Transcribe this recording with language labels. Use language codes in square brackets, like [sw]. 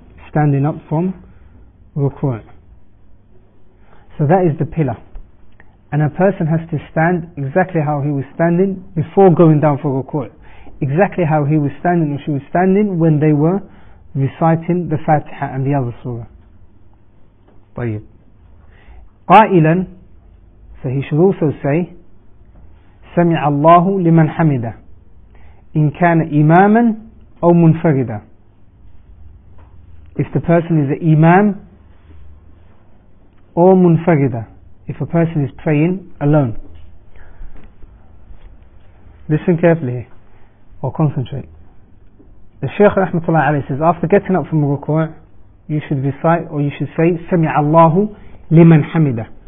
[en] Standing up from ruku'. So that is the pillar. And a person has to stand exactly how he was standing before going down for ruku'. Exactly how he was standing or she was standing when they were reciting the Fatiha and the other surah. [ar] طيب. قائلا. [en] So he should also say [ar] سمع الله لمن حمده إن كان إماما أو منفردا. [en] If the person is an imam or منفردا, if a person is praying alone. Listen carefully or concentrate. The Shaykh rahmatullah alayhi says after getting up from ruku', you should recite or you should say [ar] سَمِعَ اللَّهُ لِمَنْ حَمِدَهُ.